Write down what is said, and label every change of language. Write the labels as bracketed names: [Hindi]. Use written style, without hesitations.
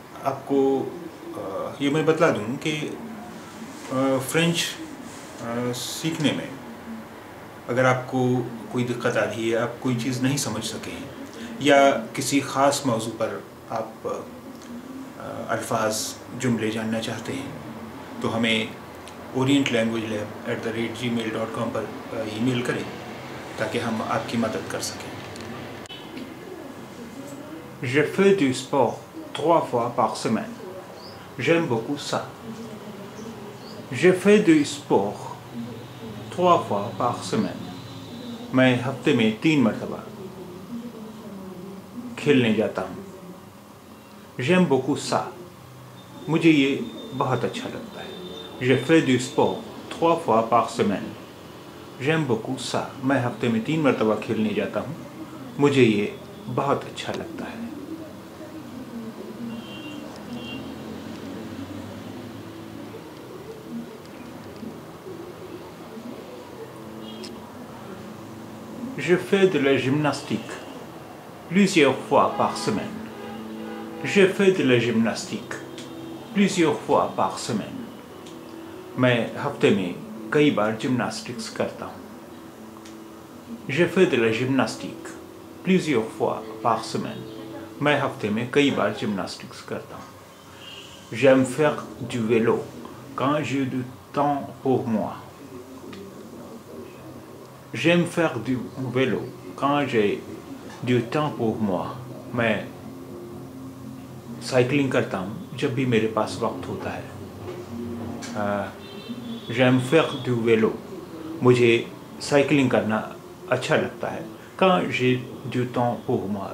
[Urdu] آپ کو یہ میں بتلا دوں کہ فرینچ سیکھنے میں اگر آپ کو کوئی دقت آ رہی ہے، آپ کوئی چیز نہیں سمجھ سکیں یا کسی خاص موضوع پر آپ الفاظ جملے جاننا چاہتے ہیں، تو ہمیں orientlanguagelab@gmail.com پر ای میل کریں تاکہ ہم آپ کی مدد کر سکیں. [French] Je fais du sport 3 fois par semaine. J'aime beaucoup ça. Je fais du sport 3 fois par semaine. [Urdu] میں ہفتے میں 3 مرتبہ کھیلنے جاتا ہوں. [French] J'aime beaucoup ça. [Urdu] مجھے یہ بہت اچھا لگتا ہے. [French] Je fais du sport 3 fois par semaine. J'aime beaucoup ça. [Urdu] میں ہفتے میں 3 مرتبہ کھیلنے جاتا ہوں. مجھے یہ بہت اچھا لگتا ہے. [French] Je fais de la gymnastique plusieurs fois par semaine. Je fais de la gymnastique plusieurs fois par semaine. [Urdu] میں ہفتے میں کئی بار جمناسٹکس کرتا ہوں. [French] Je fais de la gymnastique plusieurs fois par semaine. [Urdu] میں ہفتے میں کئی بار جمناسٹکس کرتا ہوں. [French] J'aime faire du vélo quand j'ai du temps pour moi. J'aime faire du vélo quand j'ai du temps pour moi. [Urdu] میں cycling کرتا ہوں جب بھی میرے پاس وقت ہوتا ہے. [French] J'aime faire du vélo. [Urdu] مجھے سائیکلنگ کرنا اچھا لگتا ہے. [French] Quand j'ai du temps pour moi.